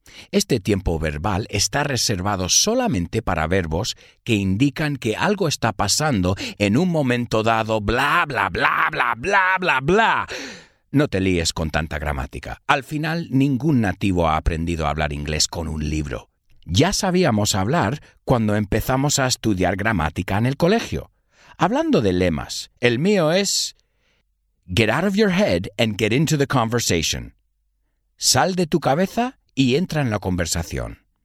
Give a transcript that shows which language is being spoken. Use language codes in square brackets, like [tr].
[es] Este tiempo verbal está reservado solamente para verbos que indican que algo está pasando en un momento dado, bla, bla, bla, bla, bla, bla, bla. No te líes con tanta gramática. Al final, ningún nativo ha aprendido a hablar inglés con un libro. Ya sabíamos hablar cuando empezamos a estudiar gramática en el colegio. Hablando de lemas, el mío es... [en] Get out of your head and get into the conversation. [es] Sal de tu cabeza y entra en la conversación.